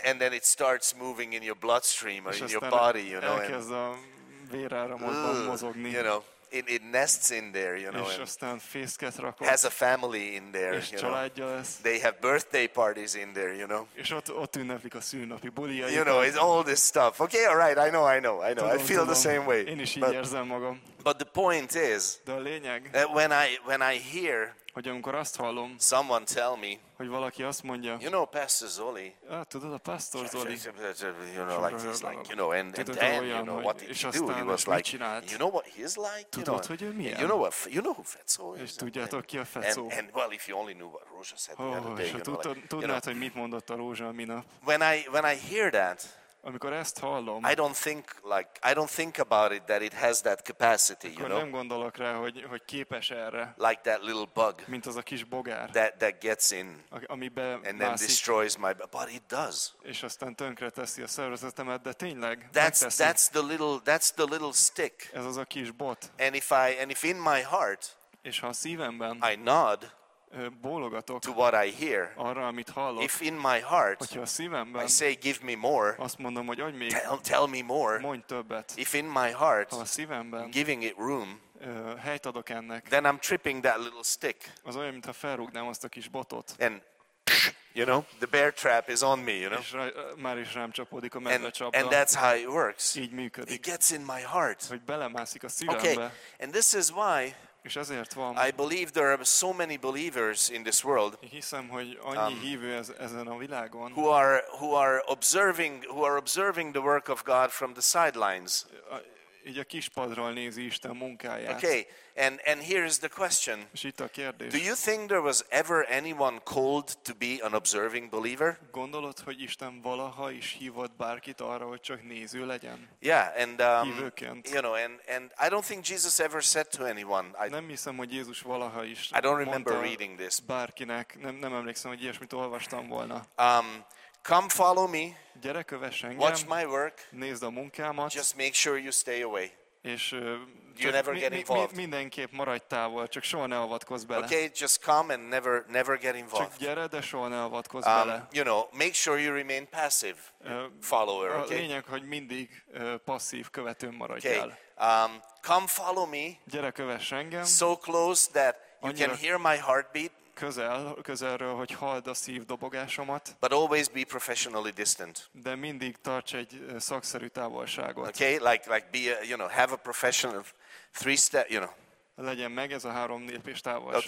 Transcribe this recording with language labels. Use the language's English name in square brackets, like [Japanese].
[English] And then it starts moving in your bloodstream or in your body, you know. [Hungarian] És aztán elkezd a véráramodban mozogni. [English] You know. It nests in there, you know. [Hungarian] És aztán fészket rakott. [English] Has a family in there, [Hungarian] és családja lesz. [English] They have birthday parties in there, you know. [Hungarian] És ott ünneplik a szülinapi buliai. [English] You know, it's all this stuff. Okay, all right, I know. [Hungarian] Tudom, [English] I feel the same way. [Hungarian] Én is így érzem magam. [English] But the point is, [Hungarian] de a lényeg, [English] that when I hear, [Hungarian] hogy amikor azt hallom, [English] someone tell me, [Hungarian] hogy valaki azt mondja, [English] you know, Pastor Zoli. [Hungarian] Ah, tudod, a Pastor Zoli. [English] You know, like he's like, you know, and then, you know, what did he do? He was like, you know what he's like? [Hungarian] Tudod, [English] you know, [Hungarian] hogy ő milyen? [English] You know who Fetszó is? [Hungarian] És tudjátok, ki a Fetszó? [English] And well, if you only knew what Rózsa said the other day. [Hungarian] És tudnád, hogy mit mondott a Rózsa a minap. [English] When I hear that, [Hungarian] amikor ezt hallom, [English] I don't think about it that it has that capacity, you know. [Hungarian] Nem gondolok rá, hogy képes erre. [English] Like that little bug. [Hungarian] Mint az a kis bogár. [English] That gets in. [Hungarian] Ami be [English] and then destroys my but it does. [Hungarian] És aztán tönkreteszi a szervezetemet, de tényleg. [English] That's the little stick. [Hungarian] Ez az a kis bot. [English] And if in my heart, [Hungarian] és ha a szívemben, [English] I nod [Hungarian] bólogatok [English] to what I hear, [Hungarian] arra, amit hallok. [English] If in my heart, [Hungarian] hogyha a szívemben, [English] I say, give me more, [Hungarian] azt mondom, hogy adj még, [English] tell me more, [Hungarian] mondj többet. [English] If in my heart, [Hungarian] ha a szívemben, [English] giving it room, [Hungarian] helyt adok ennek, [English] then I'm tripping that little stick. [Hungarian] Az olyan, mintha felrúgnám azt a kis botot. [English] And, you know, the bear trap is on me, you know. [Hungarian] És már is rám csapódik a medve csapda. [English] And that's how it works. [Hungarian] Így működik. [English] It gets in my heart. [Hungarian] Hogy belemászik a szívembe. [English] Okay, and this is why, [Hungarian] És ezért van. [English] I believe there are so many believers in this world. [Hungarian] Hiszem, hogy annyi hívő ezen a világon. [English] Who are observing the work of God from the sidelines. [Hungarian] Így a kispadról nézi Isten munkáját. [English] Okay, and here is the question. [Hungarian] És itt a kérdés. [English] Do you think there was ever anyone called to be an observing believer? [Hungarian] Gondolod, hogy Isten valaha is hívott bárkit arra, hogy csak néző legyen? [English] Yeah, and you know, and I don't think Jesus ever said to anyone. [Hungarian] Nem hiszem, hogy Jézus valaha is. [English] I don't remember reading this. [Hungarian] Bárkinek nem emlékszem, hogy ilyesmit olvastam volna. [English] Come follow me. [Hungarian] Gyere, kövess engem. [English] Watch my work. [Hungarian] Nézd a munkámat. [English] Just make sure you stay away. [Hungarian] És [English] you never get involved. [Hungarian] Mindenképp maradj távol, csak soha ne avatkozz bele. [English] Okay, just come and never get involved. [Hungarian] Csak gyere, de soha ne avatkozz bele. [English] You know, make sure you remain passive follower, okay? [Hungarian] A lényeg, hogy mindig passzív követőn maradj [English] okay. [Hungarian] el. [English] Come follow me. [Hungarian] Gyere, kövess engem. [English] So close that you can hear my heartbeat. [Hungarian] Közelről, hogy halld a szívdobogásomat. [English] But always be professionally distant. [Hungarian] De mindig tarts egy szakszerű távolságot. [English] Okay, like be a, you know, have a professional three step, you know. [Hungarian] Legyen meg ez a három lépés távolság.